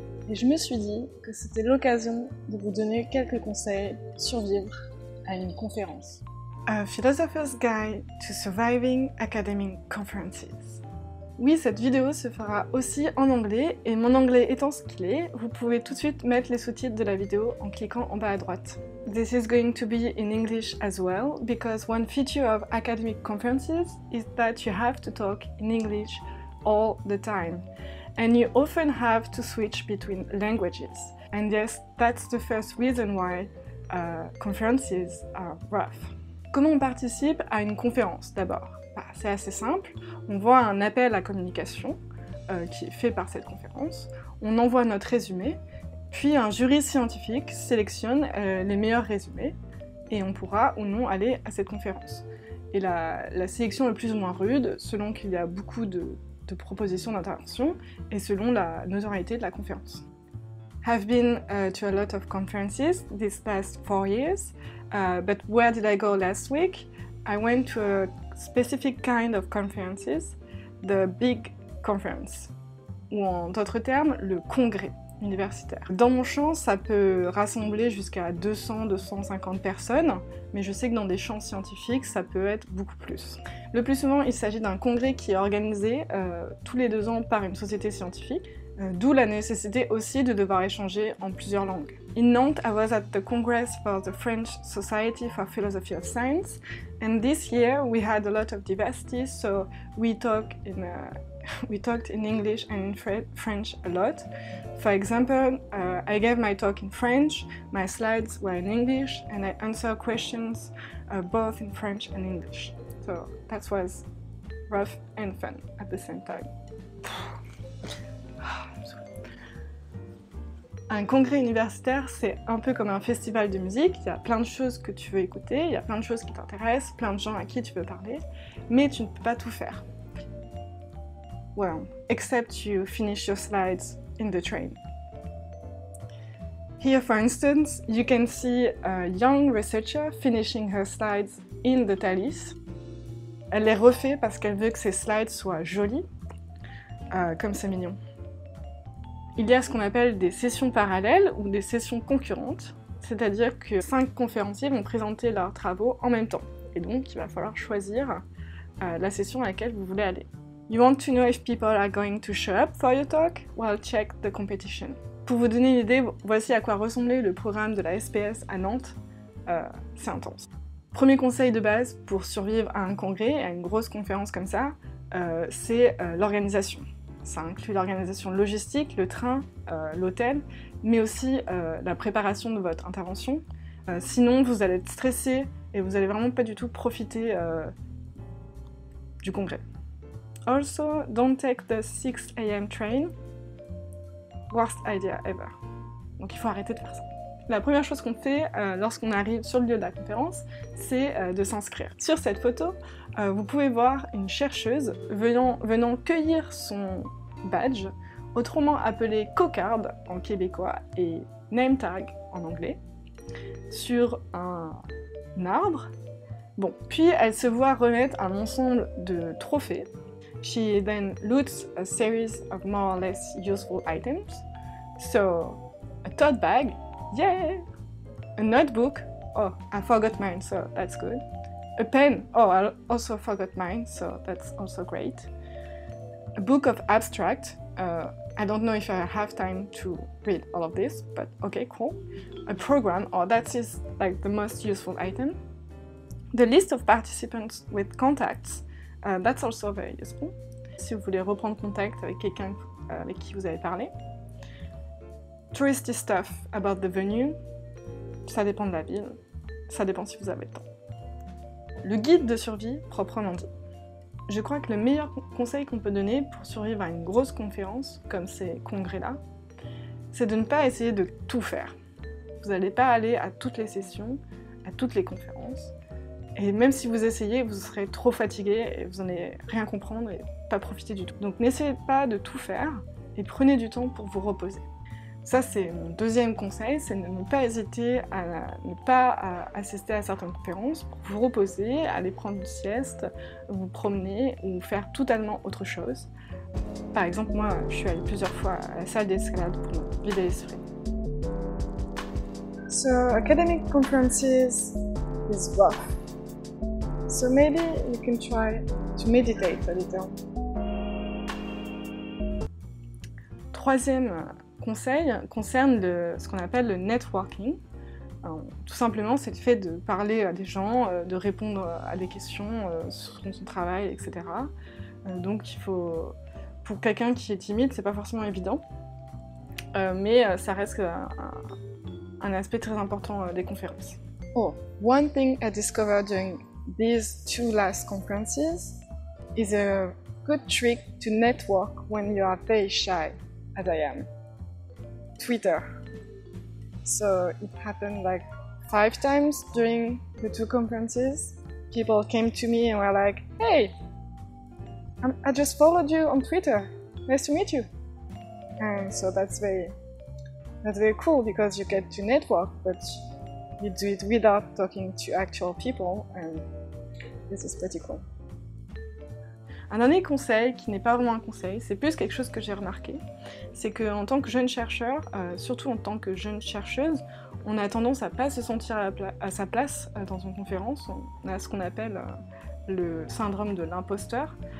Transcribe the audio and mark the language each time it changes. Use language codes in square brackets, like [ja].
[fr] Et je me suis dit que c'était l'occasion de vous donner quelques conseils pour survivre à une conférence. [en] A Philosopher's Guide to Surviving Academic Conferences. [fr] Oui, cette vidéo se fera aussi en anglais, et mon anglais étant ce qu'il est, vous pouvez tout de suite mettre les sous-titres de la vidéo en cliquant en bas à droite. [en] This is going to be in English as well, because one feature of academic conferences is that you have to talk in English all the time. And you often have to switch between languages. And yes, that's the first reason why conferences are rough. [fr] Comment on participe à une conférence d'abord ? Bah, c'est assez simple, on voit un appel à communication qui est fait par cette conférence, on envoie notre résumé, puis un jury scientifique sélectionne les meilleurs résumés et on pourra ou non aller à cette conférence. Et la sélection est plus ou moins rude selon qu'il y a beaucoup de propositions d'intervention et selon la notoriété de la conférence. [en] I've been to a lot of conferences these past 4 years, but where did I go last week? I went to a specific kind of conferences, the big conference, [fr] ou en d'autres termes, le congrès universitaire. Dans mon champ, ça peut rassembler jusqu'à 200-250 personnes, mais je sais que dans des champs scientifiques, ça peut être beaucoup plus. Le plus souvent, il s'agit d'un congrès qui est organisé tous les 2 ans par une société scientifique, d'où la nécessité aussi de devoir échanger en plusieurs langues. [en] In Nantes, I was at the Congress for the French Society for Philosophy of Science, and this year we had a lot of diversity, so we talked in English and in French a lot. For example, I gave my talk in French, my slides were in English, and I answered questions both in French and English. So that was rough and fun at the same time. [fr] Un congrès universitaire, c'est un peu comme un festival de musique. Il y a plein de choses que tu veux écouter, il y a plein de choses qui t'intéressent, plein de gens à qui tu veux parler, mais tu ne peux pas tout faire. [en] Well, except you finish your slides in the train. Here, for instance, you can see a young researcher finishing her slides in the Thalys. [fr] Elle les refait parce qu'elle veut que ses slides soient jolies, comme c'est mignon. Il y a ce qu'on appelle des sessions parallèles ou des sessions concurrentes, c'est-à-dire que 5 conférenciers vont présenter leurs travaux en même temps. Et donc, il va falloir choisir la session à laquelle vous voulez aller. [en] You want to know if people are going to show up for your talk? Well, check the competition. [fr] Pour vous donner une idée, voici à quoi ressemblait le programme de la SPS à Nantes. C'est intense. Premier conseil de base pour survivre à un congrès, à une grosse conférence comme ça, c'est l'organisation. Ça inclut l'organisation logistique, le train, l'hôtel, mais aussi la préparation de votre intervention. Sinon, vous allez être stressé et vous allez vraiment pas du tout profiter du congrès. [en] Also, don't take the 6 a.m. train. Worst idea ever. [fr] Donc il faut arrêter de faire ça. La première chose qu'on fait lorsqu'on arrive sur le lieu de la conférence, c'est de s'inscrire. Sur cette photo, vous pouvez voir une chercheuse venant cueillir son badge, autrement appelé cocarde en québécois et name tag en anglais, sur un arbre. Bon, puis elle se voit remettre un ensemble de trophées. [en] She then loots a series of more or less useful items. So, a tote bag. Yeah! A notebook. Oh, I forgot mine, so that's good. A pen. Oh, I also forgot mine, so that's also great. A book of abstract. I don't know if I have time to read all of this, but okay, cool. A program. Oh, that is like the most useful item. The list of participants with contacts. That's also very useful. [fr] Si vous voulez reprendre contact avec quelqu'un avec qui vous avez parlé. [en] Touristy stuff about the venue, [fr] ça dépend de la ville, ça dépend si vous avez le temps. Le guide de survie proprement dit. Je crois que le meilleur conseil qu'on peut donner pour survivre à une grosse conférence, comme ces congrès-là, c'est de ne pas essayer de tout faire. Vous n'allez pas aller à toutes les sessions, à toutes les conférences, et même si vous essayez, vous serez trop fatigué et vous n'allez rien comprendre et pas profiter du tout. Donc n'essayez pas de tout faire et prenez du temps pour vous reposer. Ça, c'est mon deuxième conseil, c'est de ne pas hésiter à ne pas assister à certaines conférences pour vous reposer, aller prendre une sieste, vous promener ou faire totalement autre chose. Par exemple, moi, je suis allée plusieurs fois à la salle d'escalade pour me vider l'esprit. [en] So, academic conferences is rough. So maybe you can try to meditate a little. [fr] Troisième conseil concerne ce qu'on appelle le networking. Alors, tout simplement, c'est le fait de parler à des gens, de répondre à des questions sur son travail, etc. Donc, il faut, pour quelqu'un qui est timide, c'est pas forcément évident, mais ça reste un aspect très important des conférences. [en] Oh, one thing I discovered during these two last conferences is a good trick to network when you are very shy, as I am. Twitter. So it happened like 5 times during the two conferences. People came to me and were like, "Hey, I just followed you on Twitter. Nice to meet you." And so that's very cool because you get to network, but you do it without talking to actual people, and this is pretty cool. [fr] Un dernier conseil, qui n'est pas vraiment un conseil, c'est plus quelque chose que j'ai remarqué, c'est qu'en tant que jeune chercheur, surtout en tant que jeune chercheuse, on a tendance à ne pas se sentir à sa place dans une conférence. On a ce qu'on appelle le syndrome de l'imposteur.